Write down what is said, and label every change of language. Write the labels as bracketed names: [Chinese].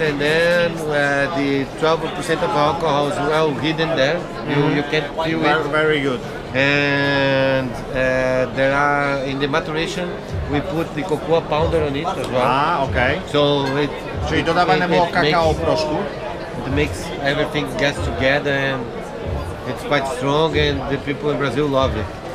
[English] And then the 12% of alcohol is well hidden there. Mm-hmm. You can feel very, it. Very good. And there are, in the maturation, we put the cocoa powder on it as well. Ah, okay. So it, [Polish] czyli dodawane było kakao w proszku. [English] It makes everything gets together and it's quite strong and the people in Brazil love it.